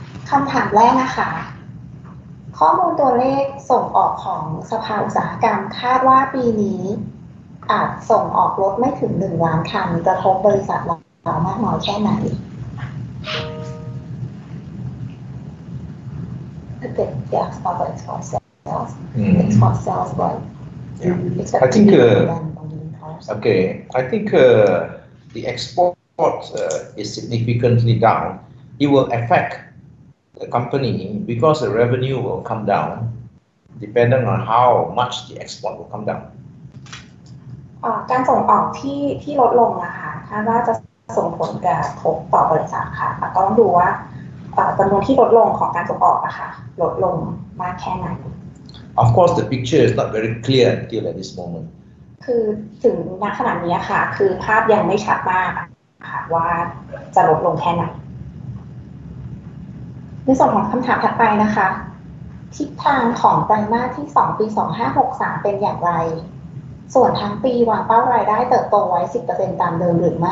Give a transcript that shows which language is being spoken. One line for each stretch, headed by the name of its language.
Thai: คำถามแรกนะคะข้อมูลตัวเลขส่งออกของสภาอุตสาหกรรมคาดว่าปีนี้อาจส่งออกลดไม่ถึง1ล้านคันกระทบบริษัทเรามากน้อยแค่ไหนเด็กอยากตอบเป็นสองเซลล์
English: sales but I think okay I think the export is significantly down it will affectthe company, because the revenue will come down, depending on how much the export will come down.
Thai: การส่งออกที่ลดลงนะคะคาดว่าจะส่งผลกระทบต่อบริษัทค่ะต้องดูว่าจำนวนที่ลดลงของการส่งออกนะคะลดลงมากแค่ไหน
English: Of course, the picture is not very clear till at this moment.
Thai: คือถึงณขณะนี้ค่ะคือภาพยังไม่ชัดมากค่ะว่าจะลดลงแค่ไหนในส่วนของคำถามถัดไปนะคะทิศทางของไตรมาสที่2ปี2563เป็นอย่างไรส่วนทั้งปีวางเป้ารายได้เติบโตไว้ 10% ตามเดิมหรือไม